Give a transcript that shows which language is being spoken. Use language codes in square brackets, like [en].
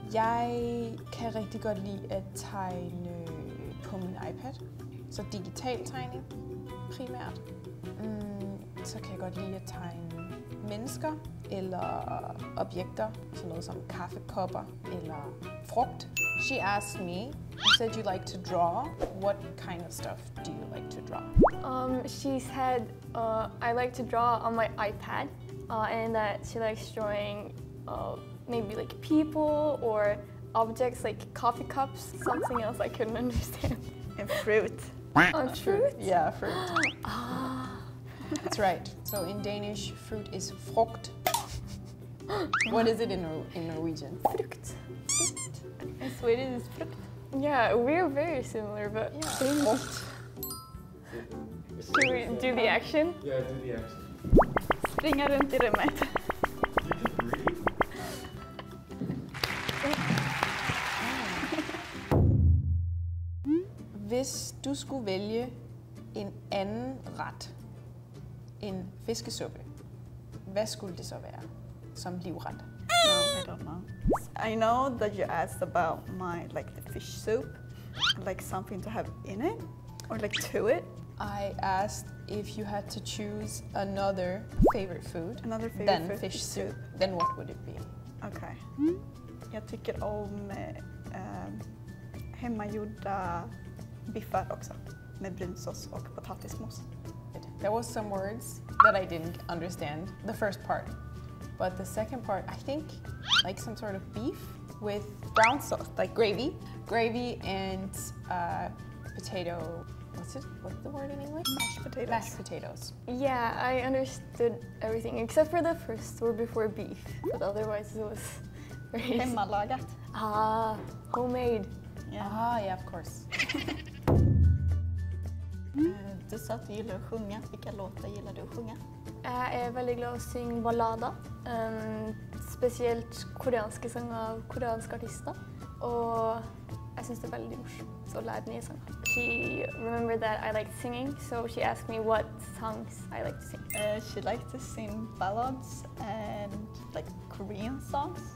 [da] Jeg kan rigtig godt lide at tegne på min iPad. Så digital tegning. primært. Så kan jeg godt lide at tegne mennesker eller objekter, sådan noget som kaffekopper eller frugt. [en] She asked me, you said you like to draw. What kind of stuff do you like to draw? She said I like to draw on my iPad, and that she likes drawing maybe like people or objects like coffee cups, something else I couldn't understand. And fruit. Fruit? Yeah, fruit. That's right. So in Danish, fruit is frugt. What is it in Norwegian? Frugt. In Swedish is frugt. Yeah, we're very similar, but yeah. Should we do the action? Yeah, do the action. [sv] Springa runt I rummet. [da] Hvis du skulle vælge en anden ret, en fiskesuppe, hvad skulle det så være som livret? [en] No, I don't know. I know that you asked about my like the fish soup, like something to have in it or like to it. I asked if you had to choose another favorite food than fish soup, then what would it be? Okay. [sv] Jag tycker om hemmagjorda biffar också med brunsås och potatismos. [en] There was some words that I didn't understand the first part. But the second part, I think like some sort of beef with brown sauce, like gravy. Gravy and potato, what's the word in English? Mashed potatoes. Mashed potatoes. Yeah, I understood everything except for the first word before beef. But otherwise it was very... [sv] Hemmalagat. [en] Ah, homemade. Yeah. Ah, yeah, of course. [sv] Du sa att du gillar att sjunga. Vilka låtar gillar du att sjunga? Jag är väldigt glad att sjunga ballader. Speciellt koreanska sånger av koreanska artister. Och jag syns det är väldigt morsomt att lära nya sånger. [en] She remembered that I liked singing, so she asked me what songs I like to sing. She liked to sing ballads and like Korean songs.